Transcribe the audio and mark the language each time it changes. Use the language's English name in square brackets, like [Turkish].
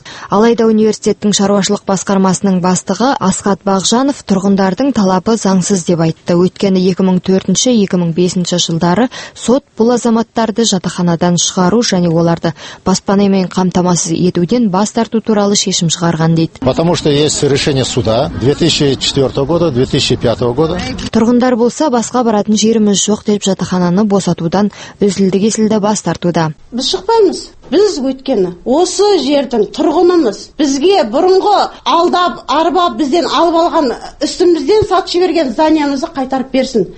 [Kazakh] Алайда университеттің шаруашылық басқармасының бастығы Асхат Бағжанов тұрғындардың талабы заңсыз деп айтты. Өткені 2004-2005 жылдары сот бұл азаматтарды жатақханадан шығару және оларды баспанамен қамтамасыз етуден бас тарту туралы шешім шығарған дейді. [Russian] Потому что есть решение суда 2004 года, 2005 года. [Kazakh] Тұрғындар болса басқа баратын жеріміз жоқ деп жатақхананы босатудан үзілді-кесілді бас тартуда. Біз шықпаймыз. Біз өткені осы жердің тұрғынымыз, бізге бұрынғы алдап арбап бізден алып алған үстімізден сатып жіберген заңымызды қайтарып берсін.